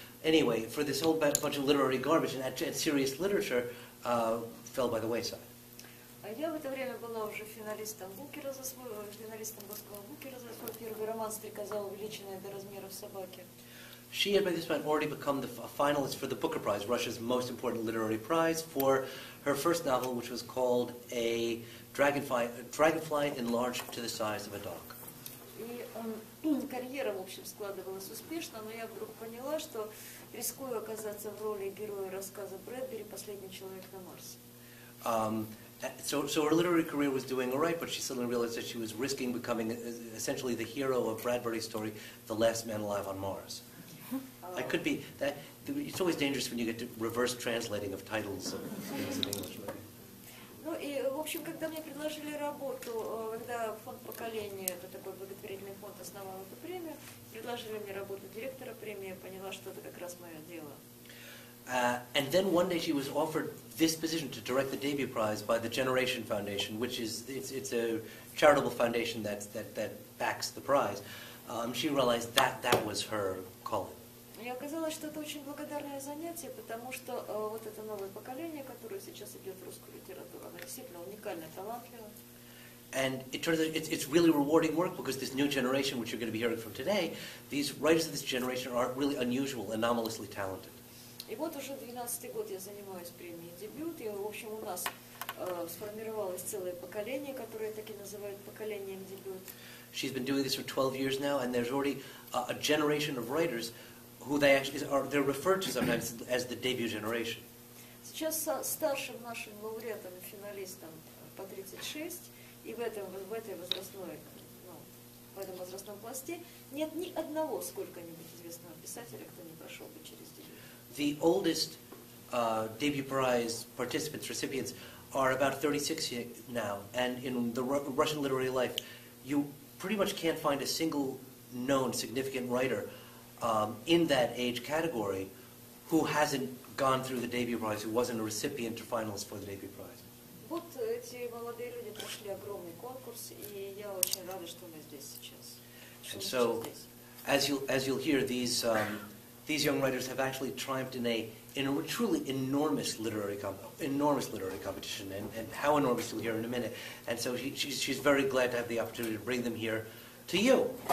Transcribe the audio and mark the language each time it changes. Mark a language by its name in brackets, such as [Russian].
[English] Anyway, for this whole bunch of literary garbage and serious literature, fell by the wayside. [Russian] Я в это время была уже финалистом Booker Booker за свой первый роман «Стрекоза, увеличенная до размеров собаки». [English] She had by this point already become a finalist for the Booker Prize, Russia's most important literary prize, for her first novel, which was called A Dragonfly Enlarged to the Size of a Dog. [Russian] И карьера, в общем, складывалась успешно, но я вдруг поняла, что рискую оказаться в роли героя рассказа Брэдбери «Последний человек на Марсе». [English] So her literary career was doing all right, but she suddenly realized that she was risking becoming essentially the hero of Bradbury's story, The Last Man Alive on Mars. I could be that. It's always dangerous when you get to reverse translating of titles of things in English. [Russian] Ну и в общем, когда мне предложили работу, когда фонд поколения, это такой благотворительный фонд, основал эту премию, предложили мне работу директора премии, поняла, что это как раз мое дело. [English] And then one day she was offered this position to direct the debut prize by the Generation Foundation, which is it's a charitable foundation that backs the prize. She realized that was her calling. [Russian] Мне оказалось, что это очень благодарное занятие, потому что вот это новое поколение, которое сейчас идет в русскую литературу, оно действительно уникально талантливо. [English] And it turns out it's really rewarding work because this new generation, which you're going to be hearing from today, these writers of this generation are really unusual, anomalously talented. [Russian] И вот уже 12-й год я занимаюсь премией «Дебют», и, в общем, у нас сформировалось целое поколение, которое так и называют поколением «Дебют». [English] She's been doing this for 12 years now, and there's already a generation of writers who they actually are—they're referred to sometimes as the debut generation. [Russian] Сейчас старшим нашим лауреатам и финалистам по 36, и в этом возрастном пласте нет ни одного сколько-нибудь известного писателя, кто не прошел бы через дебют. [English] The oldest debut prize participants, recipients, are about 36 now, and in the Russian literary life, you pretty much can't find a single known significant writer. In that age category, who hasn't gone through the debut prize, who wasn't a recipient or finalist for the debut prize? [Russian] Вот эти молодые люди прошли огромный конкурс, и я очень рада, что мы здесь сейчас. [English] And so, as you'll hear, these young writers have actually triumphed in a truly enormous literary competition, and how enormous you'll hear in a minute. And so she's very glad to have the opportunity to bring them here to you.